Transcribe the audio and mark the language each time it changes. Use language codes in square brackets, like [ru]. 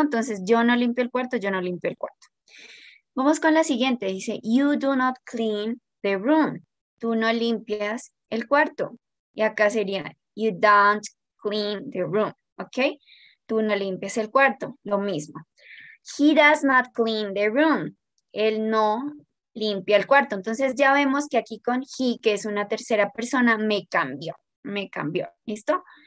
[es] Entonces, yo no limpio el cuarto, yo no limpio el cuarto. Vamos con la siguiente, dice, [en] you do not clean the room. [es] Tú no limpias el cuarto. Y acá sería, [en] you don't clean the room, [es] ¿ok? Tú no limpias el cuarto, lo mismo. [en] He does not clean the room. [es] Él no limpia el cuarto. Entonces ya vemos que aquí con he, que es una tercera persona, me cambió, ¿listo?